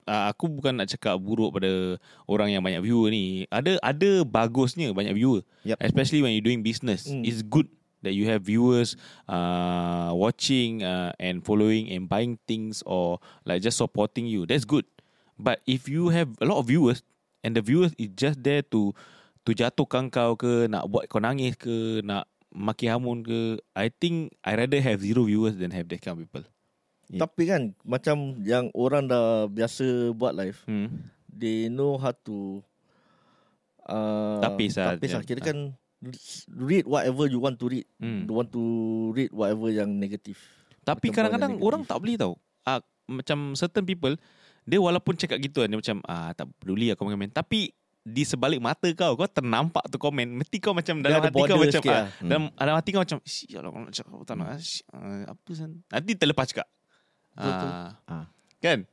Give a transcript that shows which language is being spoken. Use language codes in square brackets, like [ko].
[ms] Aku bukan nak cakap buruk pada orang yang banyak viewer ni. Ada bagusnya banyak viewer. [en] Yep. Especially when you're doing business. It's good that you have viewers watching and following and buying things or like just supporting you. That's good. But if you have a lot of viewers and the viewers is just there to [ms] jatuhkan kau ke, nak buat kau nangis ke, nak maki hamun ke, [en] I think I rather have zero viewers than have that kind of people. [ms] Yeah. Tapi kan, macam yang orang dah biasa buat live, [en] they know how to [ms] tapis lah. Kira kan, [en] read whatever you want to read. Don't want to read whatever [ms] yang negatif. Tapi macam kadang-kadang orang tak boleh tau. Macam certain people, dia walaupun cakap gitu kan, dia macam, tak peduli lah komen-komen. Tapi, di sebalik mata kau ternampak tu komen. Mesti kau macam, dalam hati kau macam, dalam hati kau macam, siapa kau nak cakap, apa san? Nanti terlepas cakap. Kan?